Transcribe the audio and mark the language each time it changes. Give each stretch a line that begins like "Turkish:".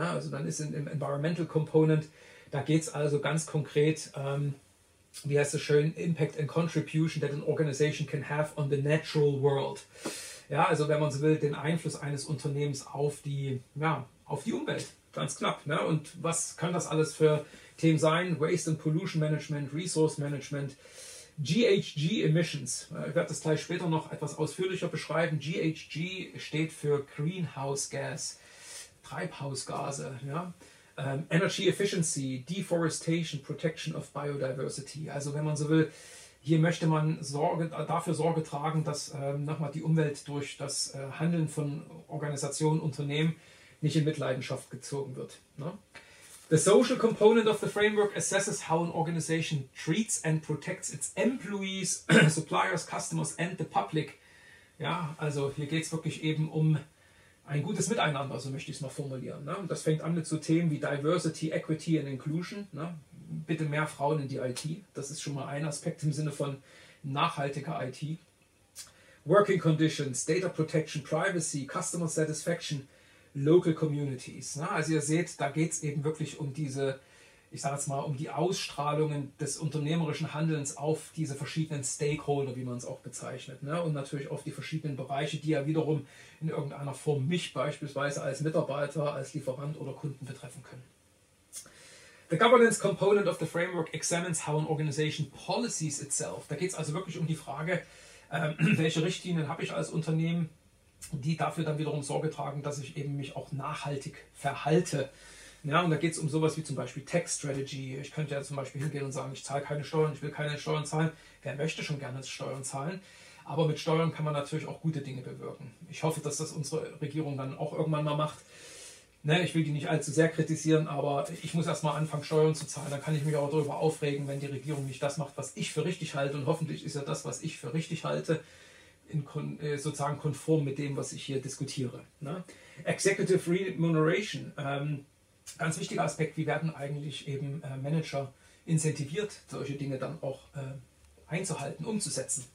German: Also dann ist im Environmental Component, da geht es also ganz konkret, wie heißt es schön,
English: Impact and Contribution that an organization can have on the natural world.
German: Ja, also wenn man so will, den Einfluss eines Unternehmens auf die Umwelt, ganz knapp. Ne? Und was kann das alles für Themen sein?
English: Waste and Pollution Management, Resource Management, GHG Emissions.
German: Ich werde das gleich später noch etwas ausführlicher beschreiben. GHG steht für Greenhouse Gas. Treibhausgase, ja?
English: Energy Efficiency, Deforestation, Protection of Biodiversity.
German: Also wenn man so will, hier möchte man dafür Sorge tragen, dass nochmal die Umwelt durch das Handeln von Organisationen, Unternehmen nicht in Mitleidenschaft gezogen wird. Ne?
English: The social component of the framework assesses how an organization treats and protects its employees, suppliers, customers and the public.
German: Ja, also hier geht es wirklich eben um ein gutes Miteinander, so möchte ich es mal formulieren. Ne? Das fängt an mit so Themen wie Diversity, Equity and Inclusion. Ne? Bitte mehr Frauen in die IT. Das ist schon mal ein Aspekt im Sinne von nachhaltiger IT.
English: Working Conditions, Data Protection, Privacy, Customer Satisfaction, Local Communities.
German: Ne? Also ihr seht, da geht es eben wirklich um diese, ich sage jetzt mal, um die Ausstrahlungen des unternehmerischen Handelns auf diese verschiedenen Stakeholder, wie man es auch bezeichnet. Ne? Und natürlich auf die verschiedenen Bereiche, die ja wiederum in irgendeiner Form mich beispielsweise als Mitarbeiter, als Lieferant oder Kunden betreffen können.
English: The governance component of the framework examines how an organization policies itself.
German: Da geht es also wirklich um die Frage, welche Richtlinien habe ich als Unternehmen, die dafür dann wiederum Sorge tragen, dass ich eben mich auch nachhaltig verhalte. Ja, und da geht es um sowas wie zum Beispiel Tax Strategy. Ich könnte ja zum Beispiel hingehen und sagen, ich zahle keine Steuern, ich will keine Steuern zahlen. Wer möchte schon gerne Steuern zahlen? Aber mit Steuern kann man natürlich auch gute Dinge bewirken. Ich hoffe, dass das unsere Regierung dann auch irgendwann mal macht. Ne, ich will die nicht allzu sehr kritisieren, aber ich muss erstmal anfangen, Steuern zu zahlen. Dann kann ich mich auch darüber aufregen, wenn die Regierung nicht das macht, was ich für richtig halte. Und hoffentlich ist ja das, was ich für richtig halte, sozusagen konform mit dem, was ich hier diskutiere. Ne?
English: Executive Remuneration.
German: Ganz wichtiger Aspekt, wie werden eigentlich eben Manager incentiviert, solche Dinge dann auch einzuhalten, umzusetzen.